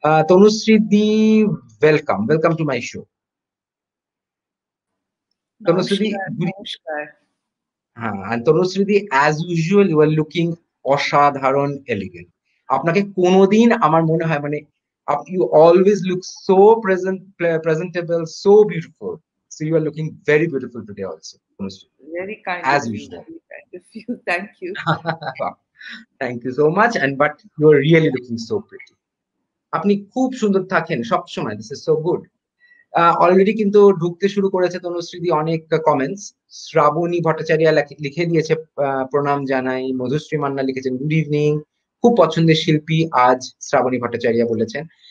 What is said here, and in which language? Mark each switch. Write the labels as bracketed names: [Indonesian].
[English] Tanushree di, welcome, welcome to my show Tanushree. [Bangla] নমস্কার। [English] হ্যাঁ, Tanushree di, as usual you are looking অসাধারণ elegant, [Bangla] আপনাকে কোনোদিন আমার মনে হয় মানে [English] You always look so present, presentable, so beautiful. So you are looking very beautiful today also. Very kind as of you. Usual. Very kind of you. Thank you. Thank you so much. But you are really looking so pretty. [Bangla] আপনি খুব সুন্দর থাকেন সব সময়, [English] This is so good. [Bangla] Already কিন্তু ঢুকতে শুরু করেছে তনুশ্রীদি অনেক কমেন্টস। শ্রাবণী ভট্টাচার্য লিখে দিয়েছে প্রণাম জানাই, মধুশ্রী মান্না লিখেছেন [English] good evening, [Bangla] খুব পছন্দের শিল্পী আজ, শ্রাবণী ভট্টাচার্য বলেছেন।